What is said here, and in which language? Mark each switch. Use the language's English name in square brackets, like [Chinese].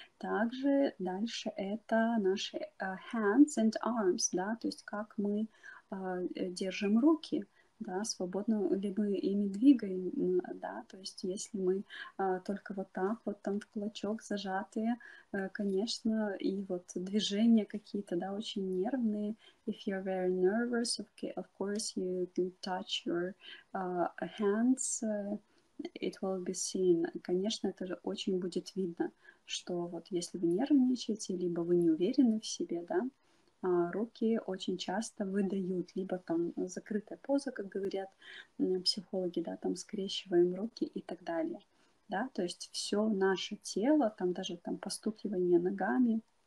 [Russian] Также дальше это наши [English] hands and arms, [Russian] да, то есть как мы держим руки, да, свободно ли мы ими двигаем, да, то есть если мы только вот так вот там в кулачок зажатые, конечно, и вот движения какие-то, да, очень нервные. [English] If you're very nervous, of course you can touch your hands. It will be seen. [Russian] Конечно, это же очень будет видно, что вот если вы нервничаете, либо вы не уверены в себе, да, руки очень часто выдают, либо там закрытая поза, как говорят психологи, да, там скрещиваем руки и так далее, да, то есть все наше тело, там даже там постукивание ногами